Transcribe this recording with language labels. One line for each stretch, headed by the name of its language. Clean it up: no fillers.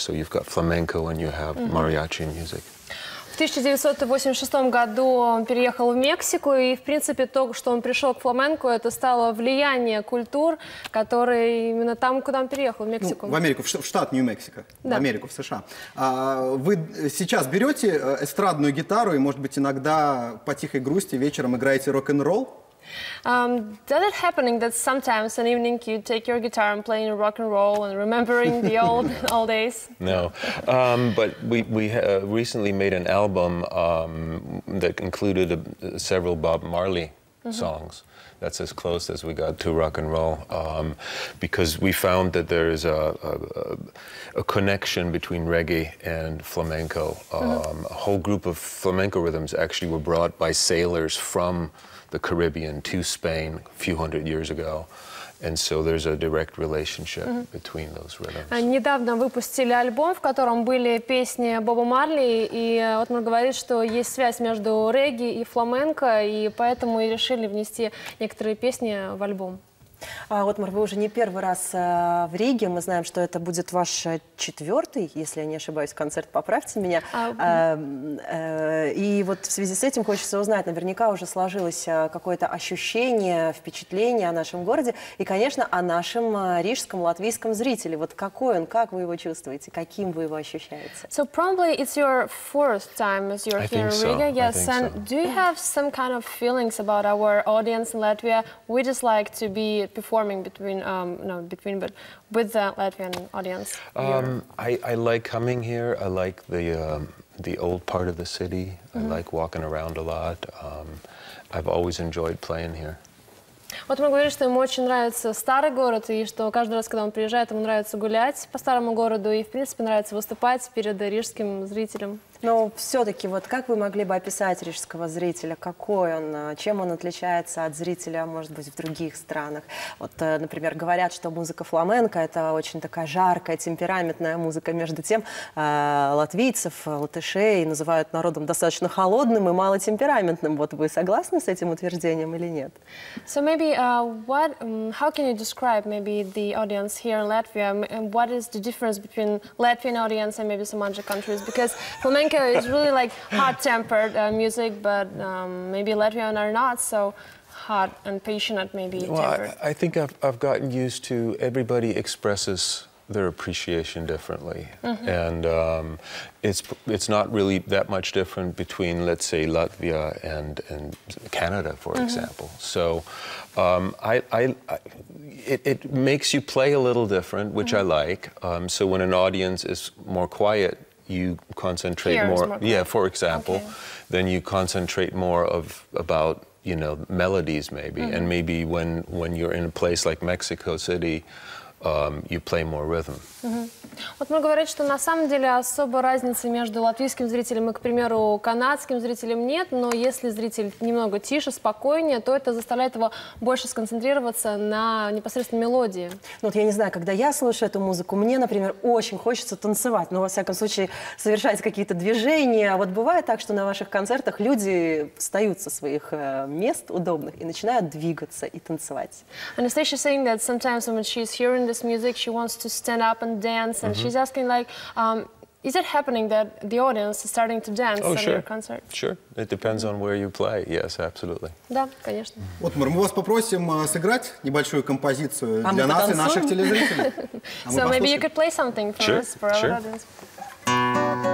English: So you've got flamenco and you have mariachi music.
Russian: В 1986 году он переехал в Мексику, и, в принципе, то, что он пришел к фламенко, это стало влияние культур, которые именно там, куда он переехал, в Мексику. Ну, в Америку, в штат Нью-Мексико, да. В Америку, в США. Вы сейчас берете эстрадную гитару и, может быть, иногда по тихой грусти вечером играете рок-н-ролл?
English: Does it happening that sometimes an evening you take your guitar and playing rock and roll and remembering the old old days? No, but we recently made an album that included several Bob Marley songs. That's as close as we got to rock and roll, because we found that there is a connection between reggae and flamenco. A whole group of flamenco rhythms actually were brought by sailors from the Caribbean to Spain a few hundred years ago. And so there's a direct relationship between those rhythms.
Russian: Недавно выпустили альбом, в котором были песни Боба Марли, и вот он говорит, что есть связь между регги и фламенко, и поэтому и решили внести некоторые песни в альбом. Отмар, вы уже не первый раз в Риге. Мы знаем, что это будет ваш четвертый, если я не ошибаюсь, концерт. Поправьте меня. И вот в связи с этим хочется узнать. Наверняка уже сложилось какое-то ощущение, впечатление о нашем городе. И, конечно, о нашем рижском, латвийском зрителе. Вот какой он, как вы его чувствуете, каким вы его ощущаете?
English: So probably it's your fourth time as you're here in Riga. So. Yes, and so. Do you have some kind of feelings about our audience in Latvia? We just like to be performing between but with the Latvian audience. I like coming here. I like the old part of the city. I like walking around a lot. I've always enjoyed playing here.
Russian: Вот мы говорили, что ему очень нравится старый город, и что каждый раз, когда он приезжает, ему нравится гулять по старому городу, и в принципе нравится выступать перед рижским зрителем. Но все-таки, вот как вы могли бы описать рижского зрителя? Какой он? Чем он отличается от зрителя, может быть, в других странах? Вот, например, говорят, что музыка фламенко – это очень такая жаркая, темпераментная музыка. Между тем, латвийцев, латышей называют народом достаточно холодным и малотемпераментным. Вот вы согласны с этим утверждением или нет?
English: So maybe, what, how can you describe maybe the audience here in Latvia? What is the difference between Latvian audience and maybe some other countries? Because flamenco is really like hot-tempered music, but maybe Latvian are not so hot and passionate, maybe. Well, I think I've gotten used to everybody expresses their appreciation differently, and it's not really that much different between, let's say, Latvia and Canada, for example. So, it makes you play a little different, which I like. So when an audience is more quiet, you concentrate more yeah, for example, then you concentrate more of about, you know, melodies maybe. And maybe when you're in a place like Mexico City, you play more rhythm.
Russian: Вот мы говорим, что на самом деле особо разницы между латвийским зрителем и, к примеру, канадским зрителем нет, но если зритель немного тише, спокойнее, то это заставляет его больше сконцентрироваться на непосредственно мелодии. Ну, вот я не знаю, когда я слушаю эту музыку, мне, например, очень хочется танцевать, но, во всяком случае, совершать какие-то движения. Вот бывает так, что на ваших концертах люди встают со своих мест удобных и начинают двигаться и танцевать.
English: Anastasia saying that sometimes when she's hearing this music, she wants to stand up and dance, and she's asking, like, Is it happening that the audience is starting to dance on your concert? Sure. It depends on where you play. Yes, absolutely.
Russian: Да, конечно. Вот, Мур, мы вас попросим сыграть небольшую композицию для нас и наших телезрителей.
English: So maybe you could play something for us, for our audience.